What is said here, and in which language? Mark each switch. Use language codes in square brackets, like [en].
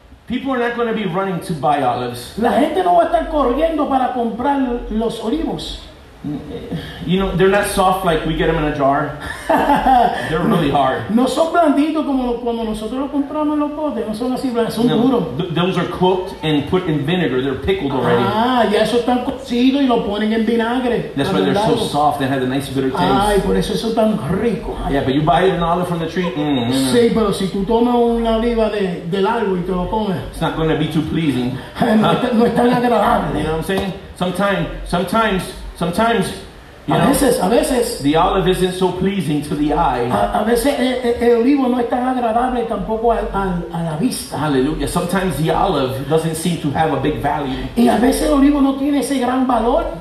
[en] People are not going to be running to buy olives. [es] La gente no va a estar corriendo para comprar los olivos. [en] You know, they're not soft like we get them in a jar. They're really hard. [es] No son blanditos como cuando nosotros los compramos en los potes. No son así, son duros. [en] Those are cooked and put in vinegar. They're pickled already. [es] Ah, ya esos están cocidos y lo ponen en vinagre. [en] That's why they're so soft. They have a nice bitter taste. [es] Ay, por eso son tan ricos. [en] Yeah, but you buy an olive from the tree. [es] Sí, pero si tú tomas una oliva del árbol y te lo comes. [en] It's not going to be too pleasing. [es] No es tan agradable. [en] You know what I'm saying? Sometimes, you know, [es] a veces, [en] the olive isn't so pleasing to the eye. [es] A veces, el olivo no es tan agradable tampoco a la vista. [en] Hallelujah. Sometimes the olive doesn't seem to have a big value. [es] Y a veces el olivo no tiene ese gran valor.